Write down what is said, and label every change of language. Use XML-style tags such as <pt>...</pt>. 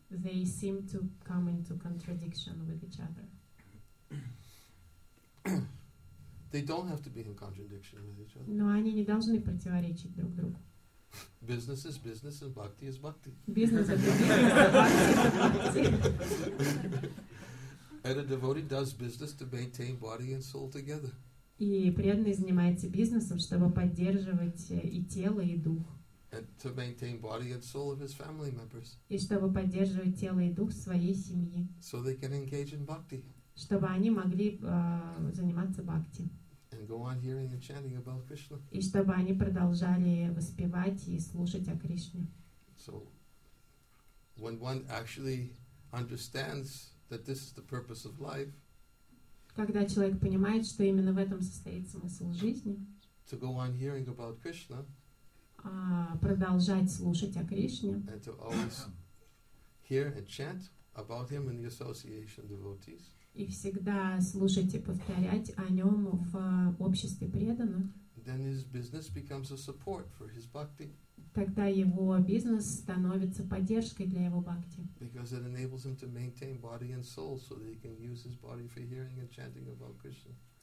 <en>They seem to come into contradiction with each other. They don't have to be in contradiction with each other.</en> <ru>Но они не должны противоречить друг другу.</ru> <en>Business is business and bhakti is bhakti. Business is business and bhakti is bhakti. And a devotee does business to maintain body and soul together.</en> <ru>И преданный занимается бизнесом, чтобы поддерживать и тело, и дух.</ru> <en>And to maintain body and soul of his family members.</en> <ru>И чтобы поддерживать тело и дух своей семьи.</ru> <en>So they can engage in bhakti.</en> <ru>Чтобы они могли заниматься бхакти.</ru> <en>And go on hearing and chanting about Krishna.</en> <ru>И чтобы они продолжали воспевать и слушать о Кришне.</ru> <en>So when one actually understands that this is the purpose of life.</en> <ru>Когда человек понимает, что именно в этом состоит смысл жизни.</ru> <en>To go on hearing about Krishna.</en> <ru>Продолжать слушать о Кришне.</ru> <en>And to always hear and chant about him in the association of devotees.</en> <ru>И всегда слушать и повторять о нем в обществе преданных.</ru> <en>Then his business becomes a support for his bhakti.</en> <ru>Тогда его бизнес становится поддержкой для его бхакти.</ru> <en>Because it enables him to maintain body and soul so that he can use his body for hearing and chanting about Krishna.</en>